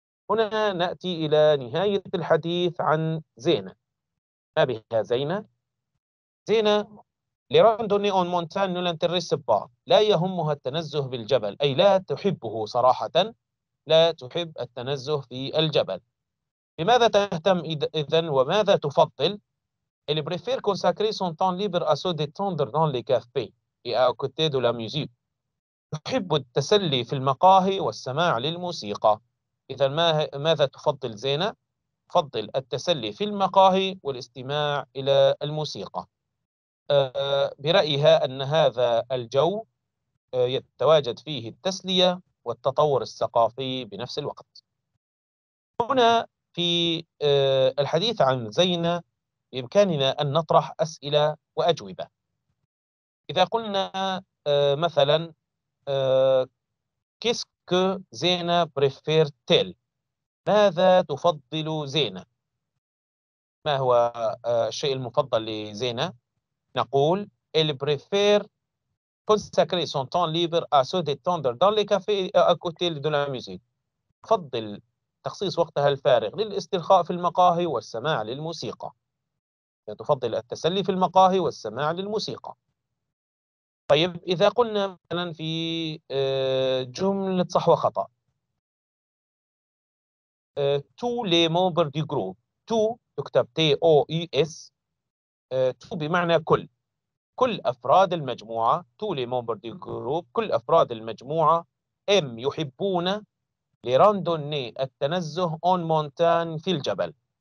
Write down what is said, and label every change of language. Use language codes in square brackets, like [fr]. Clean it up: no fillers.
[ar] هنا نأتي إلى نهاية الحديث عن زينة. ما بها زينة؟ زينة [fr] لراندوني اون مونتان نولان تريسبا، [ar] لا يهمها التنزه بالجبل، أي لا تحبه صراحة، لا تحب التنزه في الجبل. بماذا تهتم إذن وماذا تفضل؟ [fr] Elle préfère consacrer son temps libre à se détendre dans les cafés et à côté de la musique. [ar] تحب التسلي في المقاهي والسماع للموسيقى. إذن ماذا تفضل زينة؟ تفضل التسلي في المقاهي والاستماع إلى الموسيقى. برأيها أن هذا الجو يتواجد فيه التسلية والتطور الثقافي بنفس الوقت. هنا في الحديث عن زينة بإمكاننا أن نطرح أسئلة وأجوبة. إذا قلنا مثلا [fr] كيسك زينة بريفير تيل، [ar] ماذا تفضل زينة؟ ما هو الشيء المفضل لزينة؟ نقول [fr] elle préfère consacrer son temps libre à se détendre dans les cafés à côté de la musique. [ar] تفضل تخصيص وقتها الفارغ للاسترخاء في المقاهي والسماع للموسيقى. تفضل التسلي في المقاهي والسماع للموسيقى. طيب إذا قلنا مثلا في جملة صح وخطأ، [fr] تو لي ممبر دي جروب، [ar] تو تكتب تي او اي اس، تو بمعنى كل، كل أفراد المجموعة، تو لي ممبر دي جروب، كل أفراد المجموعة، ام يحبون لراندوني التنزه اون مونتان في الجبل.